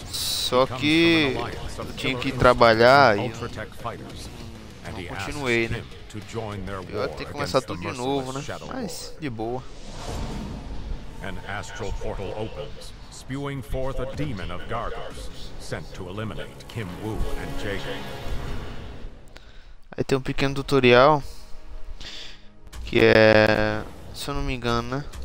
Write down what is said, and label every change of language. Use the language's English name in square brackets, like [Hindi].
[Portuguese] Só que eu tinha que trabalhar e não continuei, né? Eu ia ter que começar tudo de novo, né? Mas de boa. [English] An astral portal opens, spewing forth a demon of Gargos, sent to eliminate Kim Wu and Jake. [Portuguese] Aí tem um pequeno tutorial que é, se eu não me engano, né?